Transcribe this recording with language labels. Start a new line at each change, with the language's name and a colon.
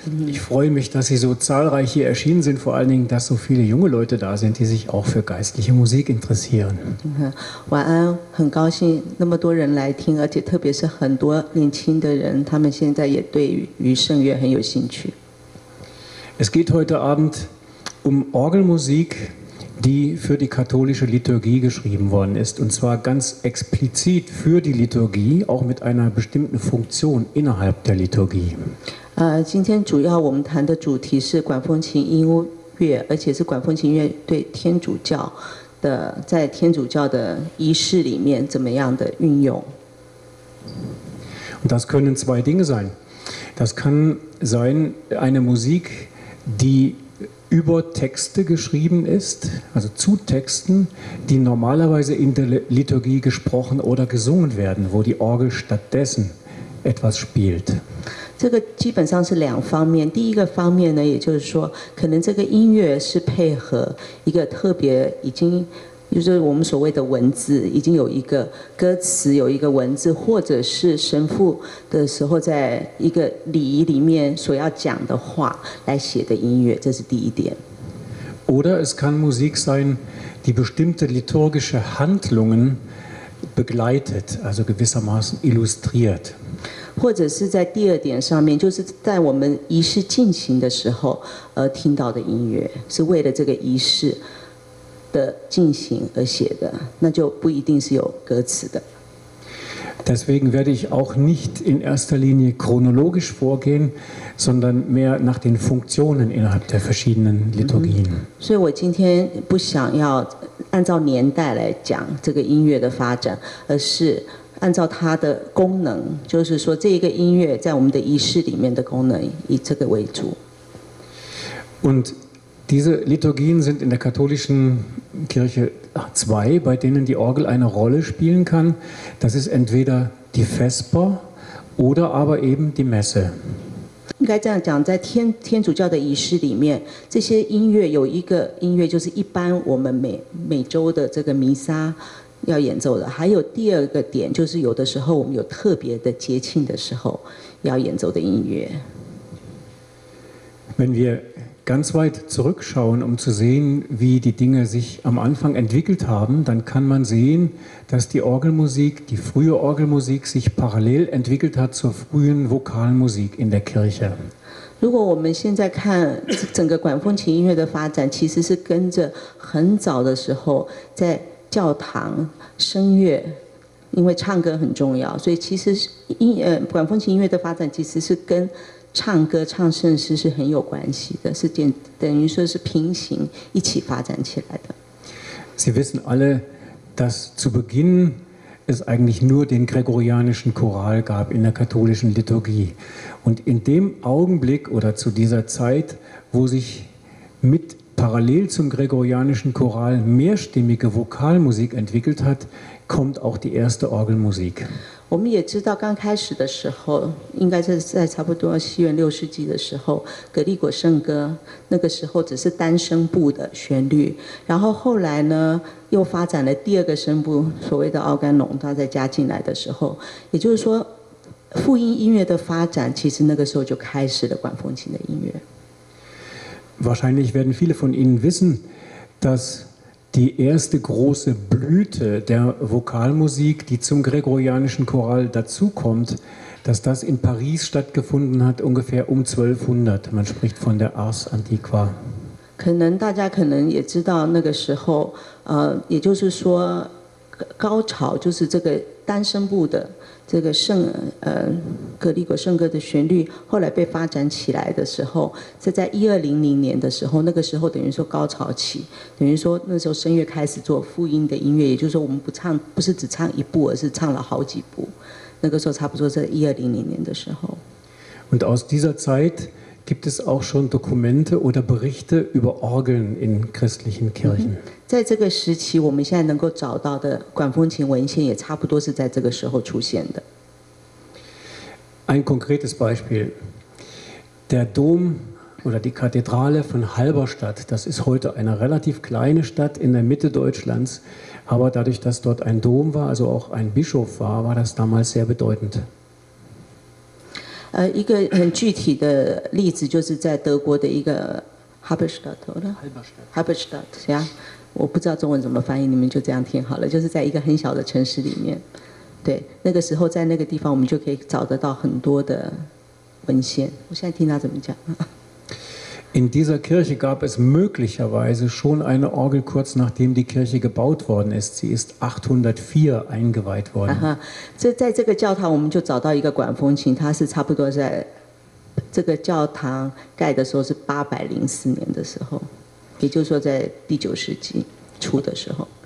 German: Ich freue mich, dass Sie so zahlreich hier erschienen sind, vor allen Dingen, dass so viele junge Leute da sind, die sich auch für geistliche Musik interessieren.
Chinese: 晚安，很高兴那么多人来听，而且特别是很多年轻的人，他们现在也对于圣乐很有兴趣。
German: Es geht heute Abend Orgelmusik, die für die katholische Liturgie geschrieben worden ist, und zwar ganz explizit für die Liturgie, auch mit einer bestimmten Funktion innerhalb der Liturgie.
Chinese: 今天主要我们谈的主题是管风琴音乐，而且是管风琴音乐对天主教的在天主教的仪式里面怎么样的运用。
German: Das können zwei Dinge sein. Das kann sein eine Musik, die über Texte geschrieben ist, also zu Texten, die normalerweise in der Liturgie gesprochen oder gesungen werden, wo die Orgel stattdessen etwas spielt.
Chinese: 这个基本上是两方面，第一个方面呢，也就是说，可能这个音乐是配合一个特别已经，就是我们所谓的文字，已经有一个歌词，有一个文字，或者是神父的时候在一个礼仪里面所要讲的话来写的音乐，这是第一点。
German: Oder es kann Musik sein, die bestimmte liturgische Handlungen begleitet, also gewissermaßen illustriert.
Chinese: 或者是在第二点上面，就是在我们仪式进行的时候而听到的音乐，是为了这个仪式的进行而写的，那就不一定是有歌词的。
German: Deswegen werde ich auch nicht in erster Linie chronologisch vorgehen, sondern mehr nach den Funktionen innerhalb der verschiedenen Liturgien.
Chinese: 所以我今天不想要按照年代来讲这个音乐的发展，而是按照它的功能，就是说这一个音乐在我们的仪式里面的功能，以这个为主。
German: Und diese Liturgien sind in der katholischen Kirche zwei, bei denen die Orgel eine Rolle spielen kann. Das ist entweder die Vesper oder aber eben die Messe.
Chinese: 应该这样讲，在天主教的仪式里面，这些音乐有一个音乐，就是一般我们每周的这个弥撒。要演奏的，还有第二个点，就是有的时候我们有特别的节庆的时候要演奏的音乐。
German: Wenn wir ganz weit zurückschauen, um zu sehen, wie die Dinge sich am Anfang entwickelt haben, dann kann man sehen, dass die Orgelmusik, die frühe Orgelmusik, sich parallel entwickelt hat zur frühen Vokalmusik in der Kirche.
Chinese: 如果我们现在看整个管风琴音乐的发展，其实是跟着很早的时候在。教堂声乐，因为唱歌很重要，所以其实管风琴音乐的发展其实是跟唱歌唱圣诗是很有关系的，是等于说是平行一起发展起来的。
German: Sie wissen alle, dass zu Beginn es eigentlich nur den gregorianischen Choral gab in der katholischen Liturgie, und in dem Augenblick oder zu dieser Zeit, wo sich mitparallel zum gregorianischen Choral mehrstimmige Vokalmusik entwickelt hat, kommt auch die erste Orgelmusik.
Chinese: 我们也知道刚开始的时候，应该是在差不多西元六世纪的时候，格里果圣歌那个时候只是单声部的旋律，然后后来呢又发展了第二个声部，所谓的奥甘隆，它再加进来的时候，也就是说，复音音乐的发展其实那个时候就开始了管风琴的音乐。
German: Wahrscheinlich werden viele von Ihnen wissen, dass die erste große Blüte der Vokalmusik, die zum gregorianischen Choral dazukommt, dass das in Paris stattgefunden hat, ungefähr um 1200. Man spricht von der Ars Antiqua.
Chinese: 可能大家可能也知道那个时候，也就是说，高潮就是这个单声部的这个圣格里果圣歌的旋律，后来被发展起来的时候，是在1200年的时候，那个时候等于说高潮期，等于说那时候声乐开始做复音的音乐，也就是说我们不是只唱一部，而是唱了好几部。那个时候差不多在1200年的时候。
German: Und aus dieser Zeit gibt es auch schon Dokumente oder Berichte über Orgeln in christlichen Kirchen.
Chinese: 在这个时期，我们现在能够找到的管风琴文献也差不多是在这个时候出现的。
German: Ein konkretes Beispiel: Der Dom oder die Kathedrale von Halberstadt, das ist heute eine relativ kleine Stadt in der Mitte Deutschlands, aber dadurch, dass dort ein Dom war, also auch ein Bischof war, war das damals sehr bedeutend.
Chinese: 一个很具体的例子就是在德国的一个 Halberstadt,
German: oder? Halberstadt, ja.
Chinese: 我不知道中文怎么翻译，你们就这样听好了。就是在一个很小的城市里面，对，那个时候在那个地方，我们就可以找得到很多的文献。我现在听他怎么讲。
German: In dieser Kirche gab es möglicherweise schon eine Orgel kurz nachdem die Kirche gebaut worden ist. Sie ist 804 eingeweiht worden.
Chinese: 这在这个教堂，我们就找到一个管风琴，它是差不多在这个教堂盖的时候是804年的时候。也就是说，在第九世纪初的时候。